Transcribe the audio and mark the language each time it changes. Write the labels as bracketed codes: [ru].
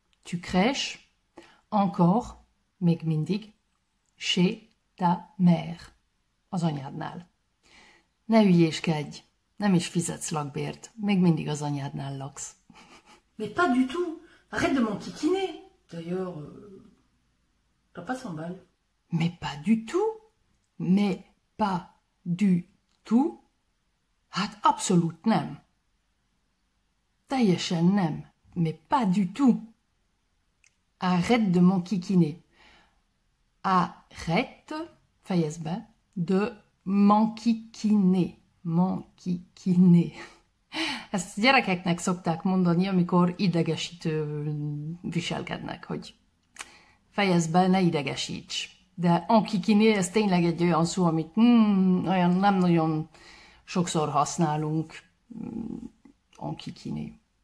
[fr] Tu crèches encore, [hu] még mindig, [fr] chez ta mère, [hu] az anyádnál. Ne hülyéskedj, nem is fizetsz lakbért, még mindig az anyádnál laksz. [fr] Mais pas du tout, arrête de m'enquiquiner. D'ailleurs, t'as pas 100 balles. Mais pas du tout, mais pas du tout, [hu] hát abszolút nem. Teljesen nem, [fr] mais pas du tout. Arrête de m'enquiquiner. Arrête, [hu] fejezd be, [fr] de m'enquiquiner. Manki-kiné. [hu] Ezt gyerekeknek szokták mondani, amikor idegesítő viselkednek, hogy fejezd be, ne idegesíts. De enki-kiné, ez tényleg egy olyan szó, amit olyan nem nagyon sokszor használunk. Enki-kiné.